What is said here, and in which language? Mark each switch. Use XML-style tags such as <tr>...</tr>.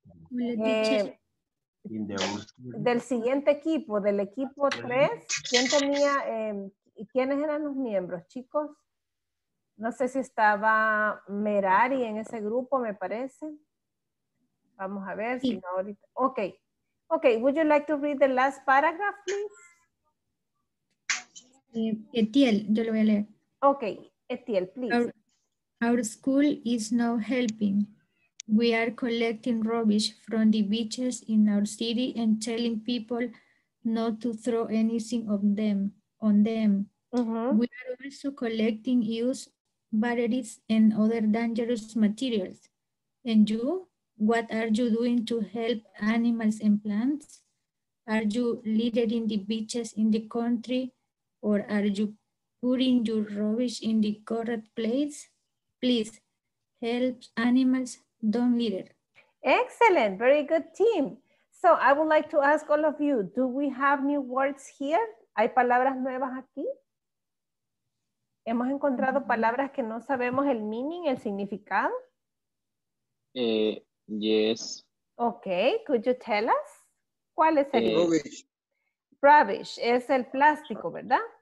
<es>Del siguiente equipo, del equipo 3, ¿quién tenía, quiénes eran los miembros, chicos? No sé si estaba Merari en ese grupo, me parece. Vamos a ver si no ahorita. Okay.</es> <en>Okay, would you like to read the last paragraph, please?</en> <es>Etiel, yo lo voy a leer.</es> <en>Okay, Etiel, please. Our school is now helping. We are collecting rubbish from the beaches in our city and telling people not to throw anything on them. Mm-hmm. We are also collecting used batteries and other dangerous materials. And you, what are you doing to help animals and plants? Are you littering the beaches in the country or are you putting your rubbish in the correct place? Please help animals, don't litter. Excellent, very good team. So I would like to ask all of you, do we have new words here?</en> <es>¿Hay palabras nuevas aquí? ¿Hemos encontrado palabras que no sabemos el meaning, el significado?</es> <en>Yes. Okay, could you tell us?</en> <es>¿Cuál es el?</es> <en>Rubbish.</en> <es>Rubbish, es el plástico, ¿verdad?</es>